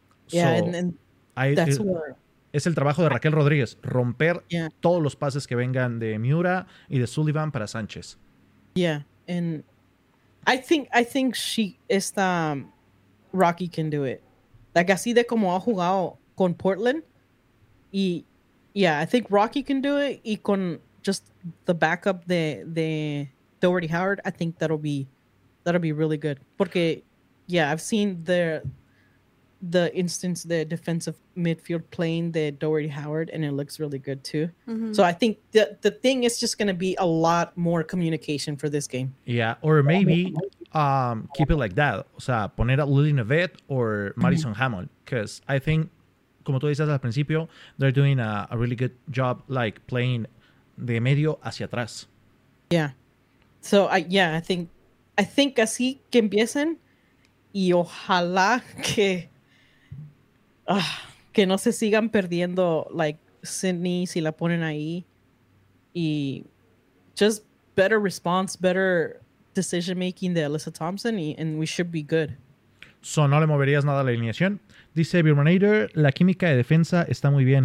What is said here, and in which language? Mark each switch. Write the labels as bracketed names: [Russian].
[Spanish] Es el trabajo de Raquel Rodríguez, romper todos los pases que vengan de Miura y de Sullivan para Sánchez. [English] And I think Rocky can do it. Like, [Spanish] así de como ha jugado con Portland. [English] I think Rocky can do it [Spanish] y con [English] just the backup de Doherty Howard, I think that'll be really good. [Spanish] Porque, [English] I've seen the instance, the defensive midfield playing the Doherty Howard, and it looks really good too. Mm-hmm. So I think the thing is just going to be a lot more communication for this game. Yeah, or maybe keep it like that. [Spanish] O sea, poner a [English] Lily Nevet or Madison Hamill, because I think, [Spanish] como tú dices al principio, [English] they're doing a really good job, like, playing... [Spanish] de medio hacia atrás. [English] I think [Spanish] así que empiecen y ojalá que que no se sigan perdiendo, [English] like, [Spanish] Sydney, si la ponen ahí. Y [English] just better response, better decision making de Alyssa Thompson, and we should be good. [Spanish] So, no le moverías nada a la alineación. Dice Birmanator, la química de defensa está muy bien.